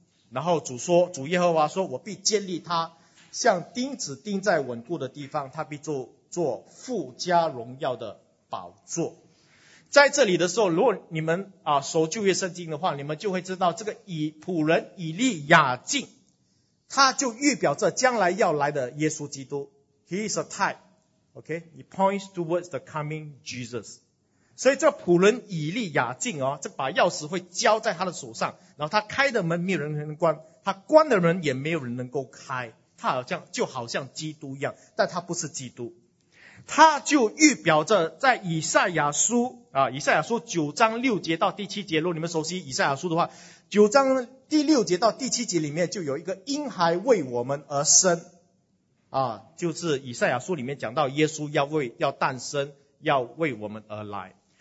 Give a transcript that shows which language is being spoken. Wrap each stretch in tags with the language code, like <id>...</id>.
<zh>然后主说，主耶和华说，我必建立他，像钉子钉在稳固的地方，他必做富家荣耀的宝座。在这里的时候，如果你们啊熟旧约圣经的话，你们就会知道这个仆人以利亚敬，他就预表着将来要来的耶稣基督。</zh> <en>He is a type, okay? He points towards the coming Jesus.</en> <zh>所以这仆人以利亚敬哦，这把钥匙会交在他的手上，然后他开的门没有人能关，他关的门也没有人能够开。他好像就好像基督一样，但他不是基督。他就预表着在以赛亚书啊，以赛亚书九章六节到第七节，如果你们熟悉以赛亚书的话，九章第六节到第七节里面就有一个婴孩为我们而生啊，就是以赛亚书里面讲到耶稣要诞生，要为我们而来。</zh>